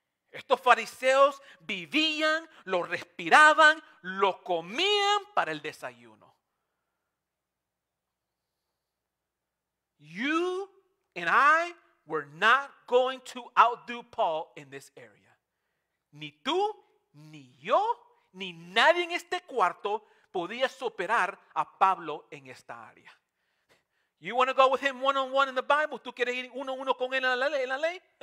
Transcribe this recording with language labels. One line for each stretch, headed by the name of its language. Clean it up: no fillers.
Spanish: Estos fariseos vivían, lo respiraban, lo comían para el desayuno.
English: You and I were not going to outdo Paul in this area.
Spanish: Ni tú, ni yo, ni nadie en este cuarto podía superar a Pablo en esta área.
English: You want to go with him one-on-one in the Bible?
Spanish: ¿Tú quieres ir uno-uno con él en la ley?